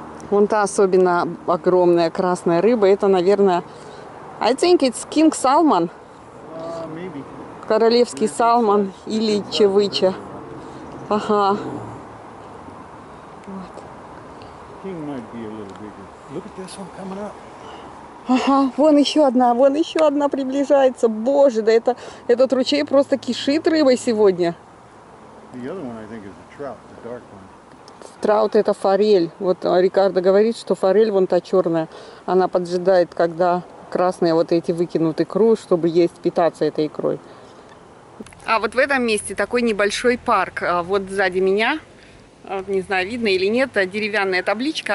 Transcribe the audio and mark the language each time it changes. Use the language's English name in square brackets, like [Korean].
[Russian] Вон та особенно огромная красная рыба, это, наверное, [English] I think it's king salmon. Maybe. [Russian] Королевский салмон или чевыча. Ага. Вот. [English] King might be a little bigger. Look at this one coming up. [Russian] Ага, вон еще одна приближается. Боже, да этот ручей просто кишит рыбой сегодня. [English] The other one, I think, is the trout, the dark one. [Russian] Траут — это форель. Вот Рикардо говорит, что форель вон та черная, она поджидает, когда красные вот эти выкинут икру, чтобы есть, питаться этой икрой. А вот в этом месте такой небольшой парк. Вот сзади меня, не знаю, видно или нет, деревянная табличка.